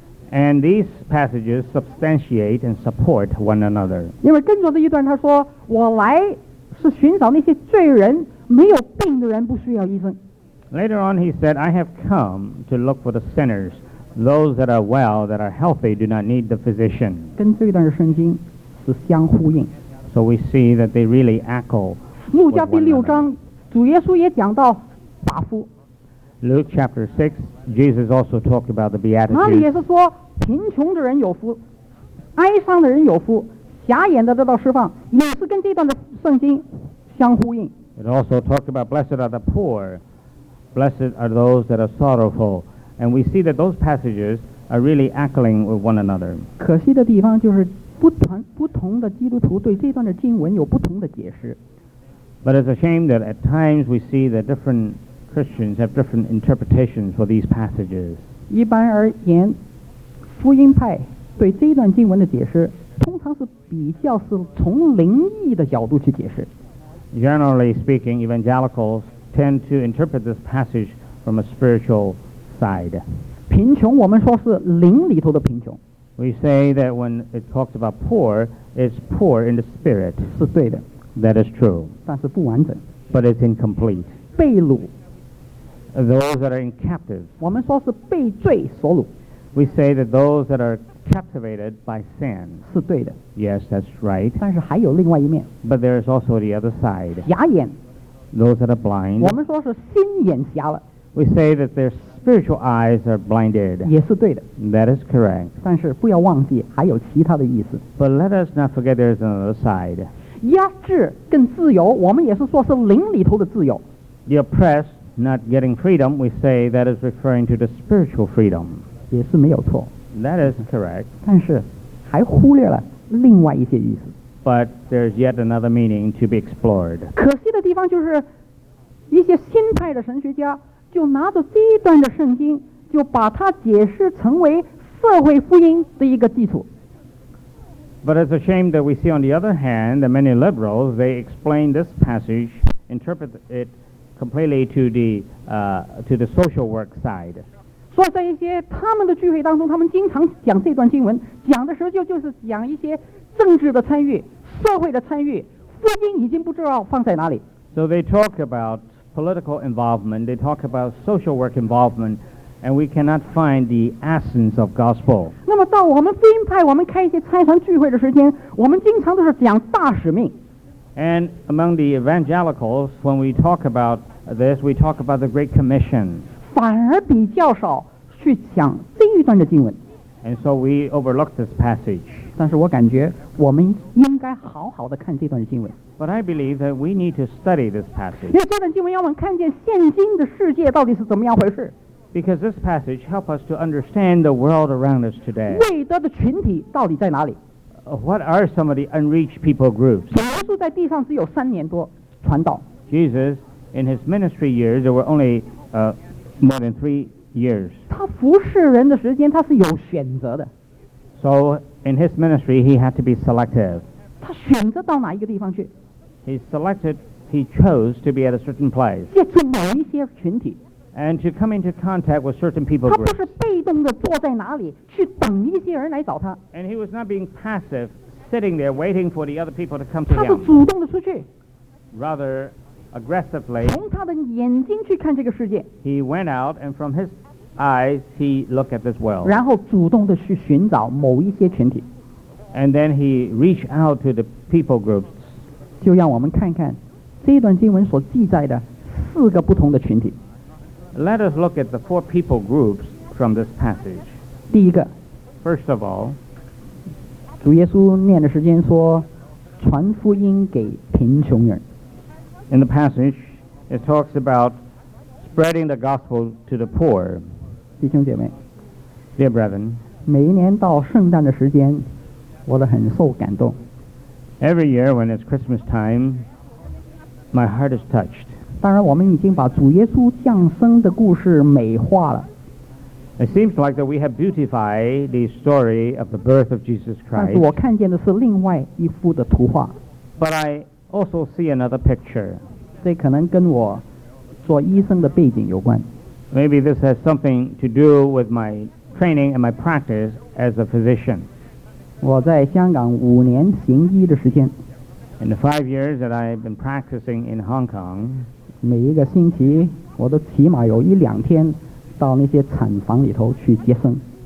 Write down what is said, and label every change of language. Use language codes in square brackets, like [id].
[en] And these passages substantiate and support one another. [zh] 因为跟着这一段，他说：“我来是寻找那些罪人，没有病的人不需要医生。” [en] Later on, he said, "I have come to look for the sinners, those that are well, that are healthy, do not need the physician." [zh] 跟这段圣经是相呼应。 [en] So we see that they really echo. [zh] 路加第六章，主耶稣也讲到寡妇。 [en] Luke chapter 6, Jesus also talked about the Beatitudes. [zh] 那里也是说，贫穷的人有福，哀伤的人有福，瞎眼的得到释放，也是跟这段的圣经相呼应。 [en] It also talked about blessed are the poor, blessed are those that are sorrowful. And we see that those passages are really echoing with one another. [zh] 可惜的地方就是不同的基督徒对这段的经文有不同的解释。 [en] But it's a shame that at times we see that different Christians have different interpretations for these passages. [zh] 一般而言，福音派对这段经文的解释通常是比较是从灵异的角度去解释。 [en] Generally speaking, evangelicals tend to interpret this passage from a spiritual side. [zh] 贫穷，我们说是灵里头的贫穷。 [en] We say that when it talks about poor, it's poor in the spirit. [zh] 是对的。 [en] That is true. [zh] 但是不完整。 [en] But it's incomplete. [zh] 被掳。 [en] Those that are in captive. [zh] 我们说是被罪所掳。 [en] We say that those that are captivated by sin. [zh] 是对的。 [en] Yes, that's right. [zh] 但是还有另外一面。 [en] But there is also the other side. [zh] 瞎眼。 [en] Those that are blind. [zh] 我们说是心眼瞎了。 [en] We say that their spiritual eyes are blinded. [zh] 也是对的。 [en] That is correct. [zh] 但是不要忘记还有其他的意思。 [en] But let us not forget there is another side. [zh] 压制跟自由，我们也是说是灵里头的自由。 [en] The oppressed not getting freedom, we say that is referring to the spiritual freedom. [zh] 也是没有错。 [en] That is correct. [zh] 但是还忽略了另外一些意思。 [en] But there's yet another meaning to be explored. [zh] 可惜的地方就是一些新派的神学家就拿着这一段的圣经就把它解释成为社会福音的一个基础。 [en] But it's a shame that we see on the other hand that many liberals, they explain this passage, interpret it completely to the social work side. [zh] 所以在一些他们的聚会当中，他们经常讲这段经文，讲的时候就是讲一些政治的参与，社会的参与，福音已经不知道放在哪里。 [en] So they talk about political involvement, they talk about social work involvement, and we cannot find the essence of gospel. [zh] 那么到我们福音派，我们开一些差传聚会的时间，我们经常都是讲大使命。 [en] And among the evangelicals, when we talk about this, we talk about the Great Commission. [zh] 反而比较少去讲这一段的经文。 [en] And so we overlooked this passage. [zh] 但是我感觉我们应该好好地看这段经文。 [en] But I believe that we need to study this passage. [zh] 因为这段经文要我们看见现今的世界到底是怎么样回事。 [en] Because this passage helps us to understand the world around us today. [zh] 未得的群体到底在哪里？ [en] What are some of the unreached people groups? [zh] 主耶稣在地上只有三年多传道。 [en] Jesus, in his ministry years, there were only more than 3 years. [zh] 他服侍人的时间他是有选择的。 [en] So, in his ministry, he had to be selective. [zh] 他选择到哪一个地方去？ [en] He chose to be at a certain place. [zh] 接触某一些群体。 [en] And to come into contact with certain people groups. [zh] 他不是被动地坐在哪里去等一些人来找他。 [en] And he was not being passive, sitting there waiting for the other people to come to him. [zh] 他是主动地出去。 [en] Rather aggressively, [zh] 从他的眼睛去看这个世界。 [en] He went out and from his eyes he looked at this world. [zh] 然后主动地去寻找某一些群体。 [en] And then he reached out to the people groups. [zh] 就让我们看看这段经文所记载的四个不同的群体。 [en] Let us look at the four people groups from this passage. [zh] 第一个， [en] First of all, [zh] 主耶稣念的时间说，传福音给贫穷人。 [en] In the passage, it talks about spreading the gospel to the poor. [zh] 弟兄姐妹， [en] Dear brethren, [zh] 每一年到圣诞的时间，我都很受感动。 [en] Every year when it's Christmas time, my heart is touched. [zh] 当然我们已经把主耶稣降生的故事美化了。 [en] It seems like that we have beautified the story of the birth of Jesus Christ. [zh] 但是我看见的是另外一幅的图画。 [en] But I also see another picture. [zh] 这可能跟我做医生的背景有关。 [en] Maybe this has something to do with my training and my practice as a physician. [zh] 我在香港5年行医的时间。 [en] In the 5 years that I've been practicing in Hong Kong, [zh] 每一个星期我都起码有一两天到那些产房里头去接生。